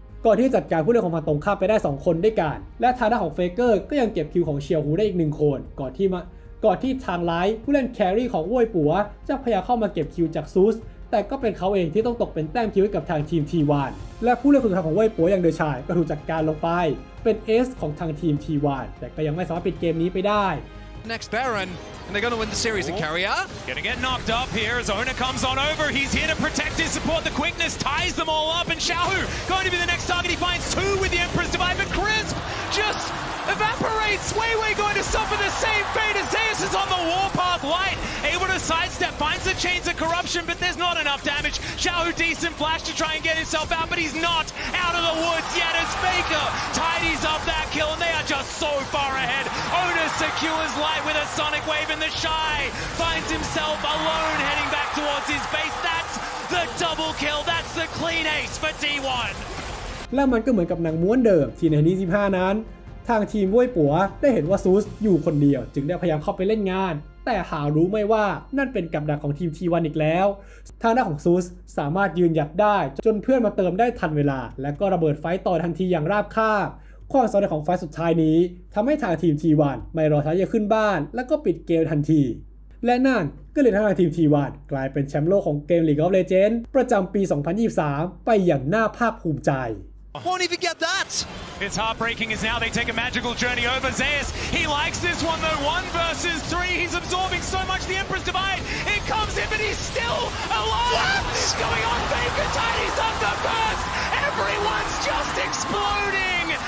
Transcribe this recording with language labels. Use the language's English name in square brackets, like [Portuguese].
[Thai] ก่อนที่จัดการผู้เล่นของฝั่งตรงข้ามไปได้2คนด้วยกันและทางด้านของเฟเกอร์ก็ยังเก็บคิวของเชียวฮูได้อีก1คนก่อนที่ทางไลท์ผู้เล่นแครี่ของเว่ยปัวจะพยายามเข้ามาเก็บคิวจากซูสแต่ก็เป็นเขาเองที่ต้องตกเป็นแต้มคิวให้กับทางทีม T1 และผู้เล่นสุดท้ายของเว่ยปัวอย่างเดอร์ชายก็ถูกจัดการลงไปเป็นเอสของทางทีม T1 แต่ก็ยังไม่สามารถปิดเกมนี้ไปได้ [English] Next Baron and they're going to win the series in Carrier going to get knocked up here as Owner comes on over he's here to protect his support the quickness ties them all up and Shahu going to be the next target he finds two with the Empress Divine but Crisp justEvaporates, Weiwei going to suffer the same fate as Zayas is on the warpath light, able to sidestep, finds the chains of corruption, but there's not enough damage. Xiaohu decent flash to try and get himself out, but he's not out of the woods yet as Faker tidies up that kill, and they are just so far ahead. Owner secures light with a sonic wave, and the Shy finds himself alone heading back towards his base. That's the double kill, that's the clean ace for T1. [Thai] และมันก็เหมือนกับหนังม้วนเดิมที่ในนี้15นั้นทางทีมเว่ยปัวได้เห็นว่าซูสอยู่คนเดียวจึงได้พยายามเข้าไปเล่นงานแต่หารู้ไม่ว่านั่นเป็นกับดักของทีมทีวันอีกแล้วทางด้านของซูสสามารถยืนหยัดได้จนเพื่อนมาเติมได้ทันเวลาและก็ระเบิดไฟต่อทันทีอย่างราบคาบความสำเร็จของไฟสุดท้ายนี้ทำให้ทางทีมทีวันไม่รอช้าจะขึ้นบ้านและก็ปิดเกมทันทีและนั่นก็เลยทำให้ทีมทีวันกลายเป็นแชมป์โลกของเกม League of Legends ประจำปี2023ไปอย่างน่าภาคภูมิใจ [English] Won't even get that! It's heartbreaking as now they take a magical journey over Zayas. He likes this one though. One versus three. He's absorbing so much. The Empress Divide. It comes in, but he's still alive! What is going on? Faker Tidy's up the burst! Everyone's just exploding!